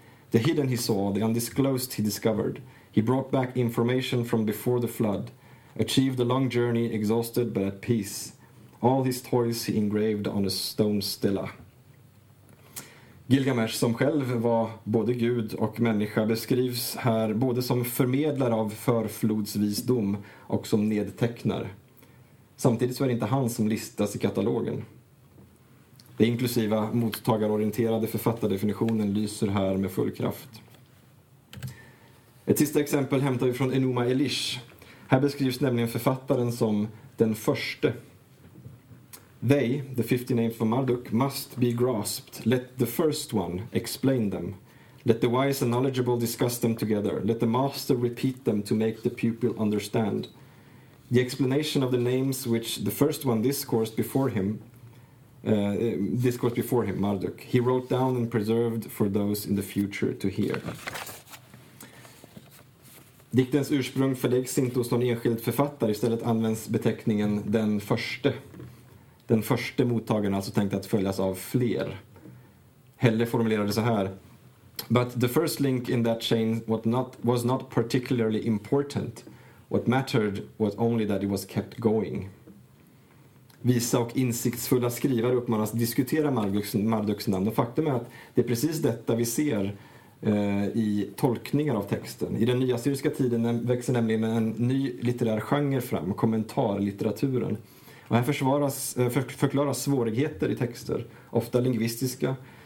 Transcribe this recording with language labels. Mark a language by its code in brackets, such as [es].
[en] The hidden he saw, the undisclosed he discovered. He brought back information from before the flood, achieved a long journey, exhausted but at peace. All his toils he engraved on a stone stela. [sv] Gilgamesh, som själv var både gud och människa, beskrivs här både som förmedlare av förflodsvisdom och som nedtecknare. Samtidigt så är det inte han som listas i katalogen. Den inklusiva mottagarorienterade författardefinitionen lyser här med full kraft. Ett sista exempel hämtar vi från Enuma Elish. Här beskrivs nämligen författaren som den första. [en] They, the 50 names of Marduk, must be grasped. Let the first one explain them. Let the wise and knowledgeable discuss them together. Let the master repeat them to make the pupil understand. The explanation of the names which the first one discoursed before him, Marduk, he wrote down and preserved for those in the future to hear. [sv] Diktens ursprung förläggs inte hos någon enskild författare, istället används beteckningen den första. Den första mottagaren alltså tänkt att följas av fler. [en] Helle [sv] formulerade så här: [en] But the first link in that chain was not particularly important. What mattered was only that it was kept going. [sv] Visa och insiktsfulla skrivare uppmanas diskutera Marduks namn. Och faktum är att det är precis detta vi ser i tolkningar av texten. I den nya syriska tiden växer nämligen en ny litterär genre fram, kommentarlitteraturen. Och här förklaras svårigheter i texter, ofta lingvistiska.